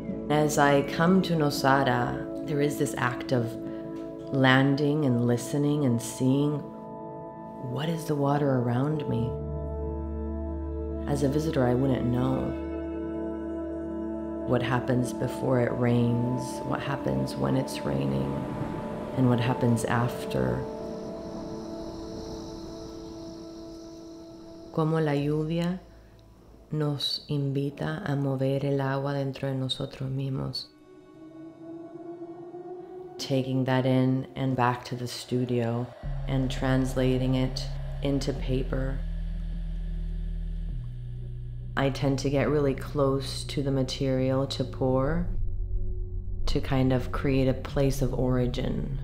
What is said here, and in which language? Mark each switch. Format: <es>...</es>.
<en>As I come to Nosara, there is this act of landing and listening and seeing what is the water around me. As a visitor, I wouldn't know what happens before it rains, what happens when it's raining, and what happens after.</en> <es>Como la lluvia nos invita a mover el agua dentro de nosotros mismos.</es> <en>Taking that in and back to the studio and translating it into paper. I tend to get really close to the material to pour, to kind of create a place of origin.</en>